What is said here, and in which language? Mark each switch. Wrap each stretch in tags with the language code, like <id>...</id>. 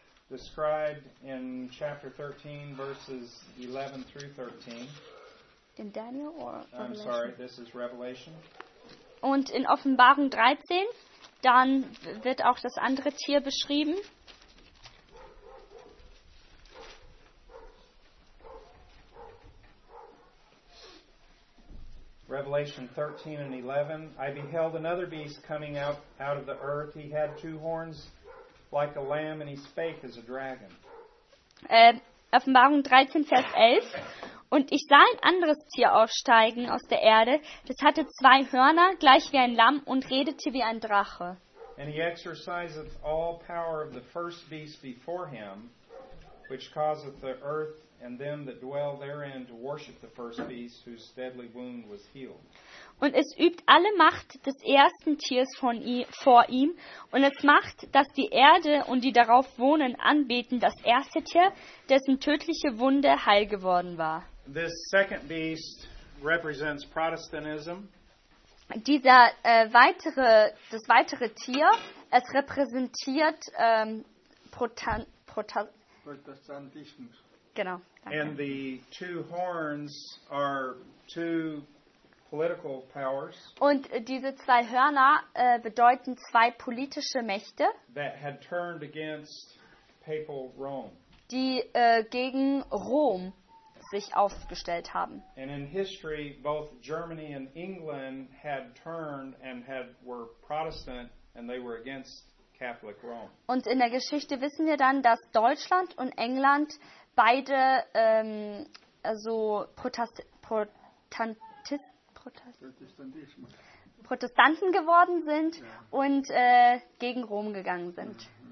<en>described in chapter 13, verses 11 through 13. In Daniel or Revelation? I'm sorry, this is Revelation.</en> <de>Und in Offenbarung 13, dann wird auch das andere Tier beschrieben.</de> <en>Revelation 13 and 11. I beheld another beast coming out of the earth. He had two horns like a lamb, and he spake as a dragon.</en> <de>Offenbarung 13, Vers 11. Und ich sah ein anderes Tier aufsteigen aus der Erde. Das hatte zwei Hörner, gleich wie ein Lamm, und redete wie ein Drache.</de> <en>And he exerciseth all power of the first beast before him, which causeth the earth and them that dwell therein to worship the first beast, whose deadly wound was healed.</en> <de>Und es übt alle Macht des ersten Tiers von vor ihm, und es macht, dass die Erde und die darauf wohnen anbeten das erste Tier, dessen tödliche Wunde heil geworden war.</de> <en>This second beast represents Protestantism.</en> <de>Dieser weitere, das weitere Tier, es repräsentiert Protestantismus. Genau.</de> <en>Okay. And the two horns are two political powers.</en> <de>Und diese zwei Hörner bedeuten zwei politische Mächte.</de> <en>That had turned against papal Rome.</en> <de>Die gegen Rom sich aufgestellt haben.</de> <en>And in history both Germany and England had turned and had were Protestant and they were against Catholic Rome.</en> <de>Und in der Geschichte wissen wir dann, dass Deutschland und England beide Protestanten geworden sind und gegen Rom gegangen sind.</de>